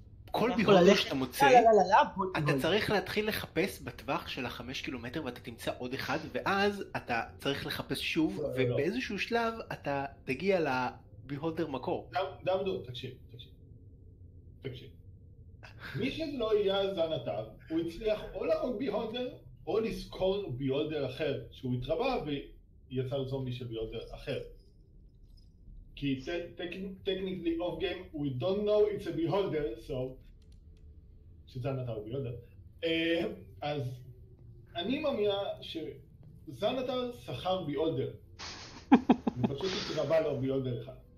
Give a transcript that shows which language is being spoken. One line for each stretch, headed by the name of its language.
Hebrew: כל ביהולדר שאתה מוצא, אתה צריך להתחיל לחפש בטווח של החמש קילומטר ואתה תמצא עוד אחד, ואז אתה צריך לחפש שוב, ובאיזשהו שלב אתה תגיע לביהולדר מקור. דמדו, תקשיב. מי שלא יהיה זנתר, הוא הצליח או להרוג ביהולדר, או לזכור ביהולדר אחר שהוא התרבה ויצר זומבי של ביהולדר אחר. כי זה
English: technically off game, we don't know it's a beholder, so...
Hebrew: שזנתר הוא beholder. אז אני מאמינה שזנתר שכר beholder. אני פשוט התרבה לו beholder אחד.